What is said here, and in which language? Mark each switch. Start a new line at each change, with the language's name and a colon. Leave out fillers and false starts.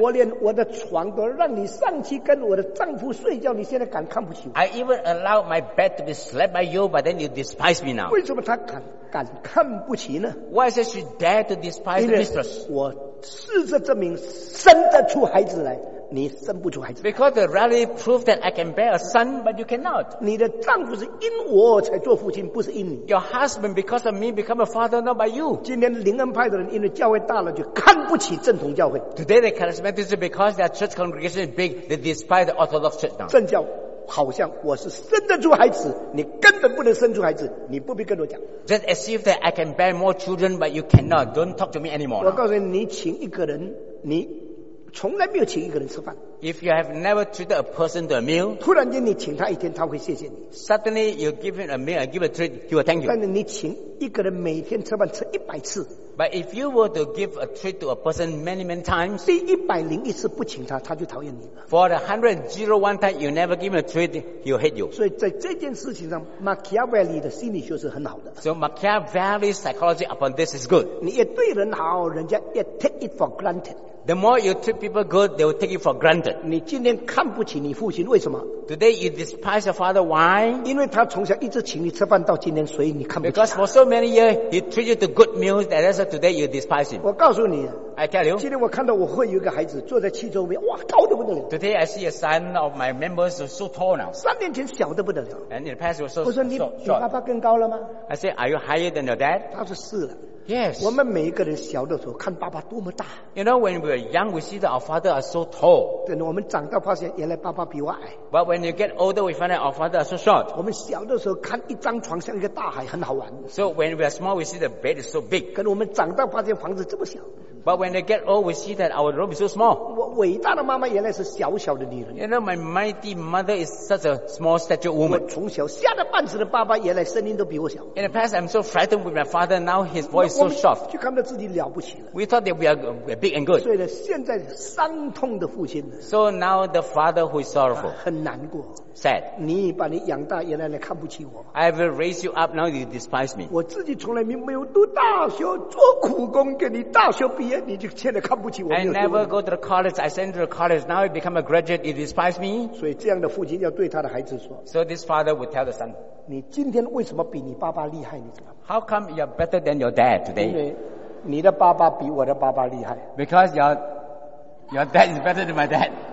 Chinese: 我连我的床都让你上去跟我的丈夫睡觉，你现在敢看不起我？
English: I even allow my bed to be slept by you, but then you despise me now.
Chinese: 为什么他敢看不起呢？
English: Why is it she dare to despise the mistress?
Chinese: 我试着证明生得出孩子来。你生不出孩子。
English: Because the reality proved that I can bear a son, but you cannot.
Chinese: 你的丈夫是因我才做父亲，不是因你。
English: Your husband because of me become a father, not by you.
Chinese: 今天灵恩派的人因为教会大了，就看不起正统教会。
English: Today the charismatics because their church congregation is big, they despise the Orthodox church now.
Chinese: 正教好像我是生得出孩子，你根本不能生出孩子，你不必跟我讲。
English: Just as if that I can bear more children, but you cannot. Don't talk to me anymore.
Chinese: 我告诉你，你请一个人，你从来没有请一个人吃饭。
English: If you have never treated a person to a meal,
Chinese: 突然间你请他一天，他会谢谢你。
English: Suddenly you give him a meal and give a treat, he will thank you.
Chinese: 但是你请一个人每天吃饭吃一百次。
English: But if you were to give a treat to a person many, many times,
Chinese: 第一百零一次不请他，他就讨厌你了。
English: For the 101 time you never give him a treat, he will hate you.
Chinese: 所以在这件事情上 ，Machiavelli 的心理学是很好的。
English: So Machiavelli's psychology upon this is good.
Chinese: 你越对人好，人家越
English: take it for granted. The more you treat people good, they will take it for granted.
Chinese: 你今天看不起你父亲，为什么？
English: Today you despise your father. Why?
Chinese: 因为他从小一直请你吃饭到今天，所以你看不起他。
English: Because for so many years he treated you to good meals, and that's why today you despise him.
Chinese: 我告诉你。
English: I tell you.
Chinese: 今天我看到我会有一个孩子坐在汽车后面，哇，高得不得了。
English: Today I see a son of my members so tall now.
Chinese: 三年前小得不得了。
English: And in the past was so short.
Chinese: 我说你比爸爸更高了吗？
English: I say, are you higher than your dad?
Chinese: 他说是了。
English: Yes.
Chinese: 我们每一个人小的时候看爸爸多么大。
English: You know, when we were young, we see that our father are so tall.
Chinese: 对，我们长大发现原来爸爸比我矮。
English: But when you get older, we find that our father are so short.
Chinese: 我们小的时候看一张床像一个大海，很好玩。
English: So when we are small, we see the bed is so big.
Chinese: 可是我们长大发现房子这么小。
English: But when they get old, we see that our room is so small.
Chinese: 我伟大的妈妈原来是小小的女人。
English: You know, my mighty mother is such a small stature woman.
Chinese: 我从小吓得半死的爸爸，原来声音都比我小。
English: In the past, I'm so frightened with my father. Now his voice is so soft.
Chinese: 就看到自己了不起了。
English: We thought that we are big and good.
Chinese: 所以呢，现在伤痛的父亲。
English: So now the father who is sorrowful.
Chinese: 很难过。
English: Sad.
Chinese: 你把你养大，原来你看不起我。
English: I will raise you up. Now you despise me.
Chinese: 我自己从来没有读大学，做苦工给你大学毕业。
English: I never go to the college. I sent to the college. Now I become a graduate. You despise me.
Chinese: 所以这样的父亲要对他的孩子说。
English: So this father would tell the son.
Chinese: 你今天为什么比你爸爸厉害？你知道吗
English: ？How come you're better than your dad today?
Chinese: 因为你的爸爸比我的爸爸厉害。
English: Because your dad is better than my dad.